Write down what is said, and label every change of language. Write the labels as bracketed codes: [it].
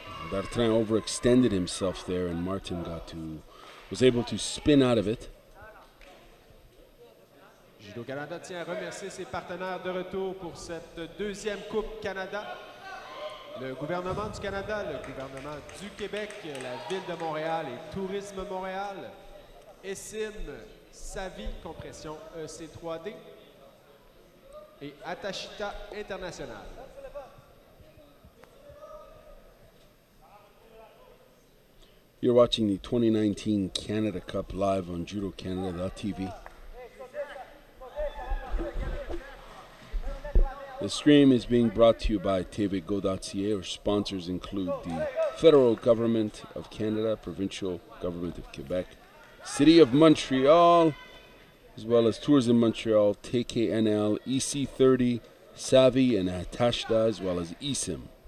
[en] Bertrand overextended himself there, and Martin was able to spin out of it. [fr] Judo Canada tient à remercier ses partenaires de retour pour cette deuxième Coupe Canada. Le gouvernement du Canada, le gouvernement du Québec, la ville de Montréal et Tourisme Montréal, Essim, Savi, Compression EC3D et Atachita International. [en] You're watching the 2019 Canada Cup live on Judo Canada.tv. The stream is being brought to you by TVGo.ca. Our sponsors include the federal government of Canada, provincial government of Quebec, city of Montreal, as well as Tourism Montreal, TKNL, EC30, Savvy, and Atashda, as well as eSIM.